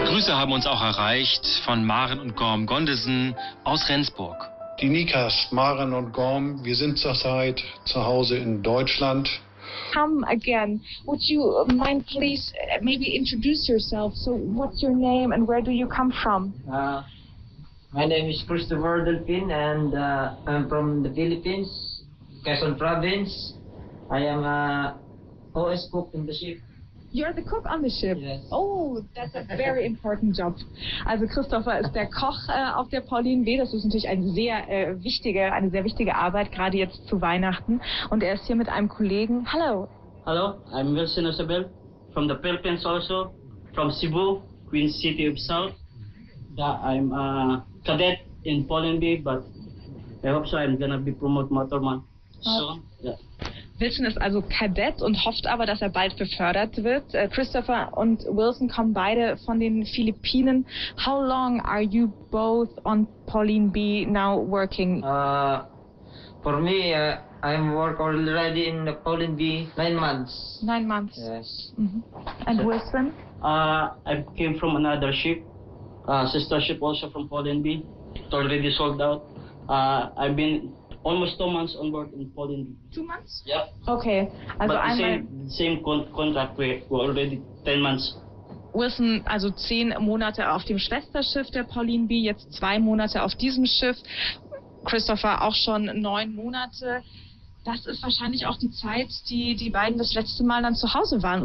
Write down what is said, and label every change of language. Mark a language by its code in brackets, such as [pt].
[de] Haben uns auch erreicht von Maren und Gorm Gondesen aus Rendsburg. Die Nikas, Maren und Gorm, wir sind zurzeit zu Hause in Deutschland. [en] Come again. Would you mind please maybe introduce yourself? So what's your name and where do you come from? My name is Christopher Delpin and I'm from the Philippines, Quezon Province. I am a OS cook in the ship. You're the cook on the ship. Yes. Oh, that's a very important job. [de] Also Christopher ist der Koch auf der Pauline B. Das ist natürlich eine sehr wichtige Arbeit, gerade jetzt zu Weihnachten. Und er ist hier mit einem Kollegen. Hallo. [en] Hallo, I'm Wilson Isabel, from the Philippines also, from Cebu, Queen City of South. Yeah, I'm a cadet in Pauline B, but I hope so I'm gonna be promoted motorman soon. Yeah. [de] Wilson ist also Kadett und hofft aber, dass er bald befördert wird. Christopher und Wilson kommen beide von den Philippinen. [en] How long are you both on Pauline B now working? For me, I'm work already in the Pauline B 9 months. 9 months. Yes. Mm-hmm. And so, Wilson? I came from another ship, sister ship also from Pauline B. It already sold out. I've been almost 2 months on board in Pauline B. 2 months? Yeah. Okay. Also but the same contract, we're already 10 months. [de] Wilson, also 10 Monate auf dem Schwesterschiff der Pauline B, jetzt 2 Monate auf diesem Schiff. Christopher auch schon 9 Monate. Das ist wahrscheinlich auch die Zeit, die die beiden das letzte Mal dann zu Hause waren.